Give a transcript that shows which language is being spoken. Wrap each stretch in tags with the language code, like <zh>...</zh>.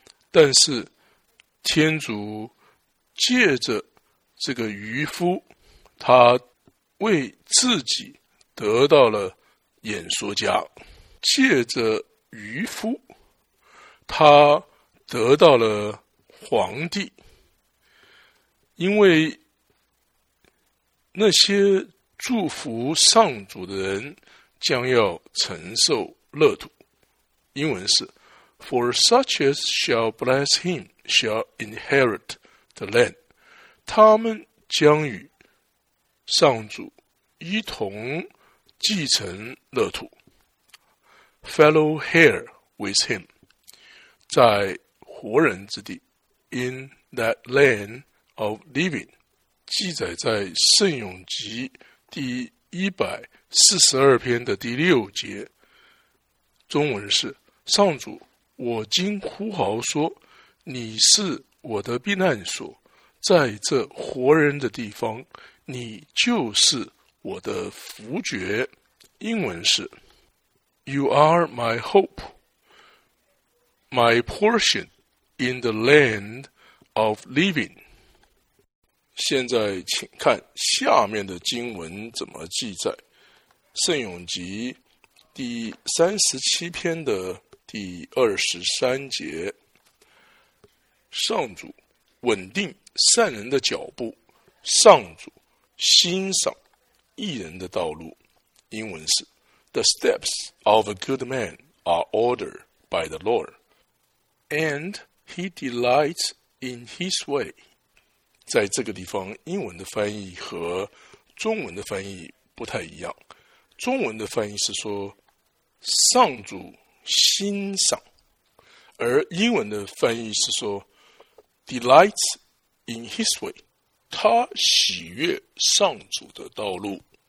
<zh>但是天主借着这个愚夫，他为自己得到了演说家，借着愚夫他得到了皇帝。因为那些祝福上主的人将要承受乐土，英文是</zh> <en>For such as shall bless him shall inherit the land。</en> <zh>他们将与上主一同继承乐土，</zh> <en>Fellow heir with him，</en> <zh>在活人之地，</zh> <en>In that land of living。</en> <zh>记载在《聖咏集》第142篇的第6节，中文是：上主，我今呼号说，你是我的避难所，在这活人的地方，你就是我的福爵。英文是</zh> <en>You are my hope, my portion in the land of living。</en> <zh>现在请看下面的经文怎么记载，圣咏集第37篇的第23节，上主稳定善人的脚步，上主欣赏义人的道路。英文是</zh> <en>The steps of a good man are ordered by the Lord, and he delights in his way。</en> <zh>在这个地方英文的翻译和中文的翻译不太一样，中文的翻译是说上主欣赏，而英文的翻译是说</zh> <en>delights in his way,</en> <zh>他喜悦上主的道路。</zh>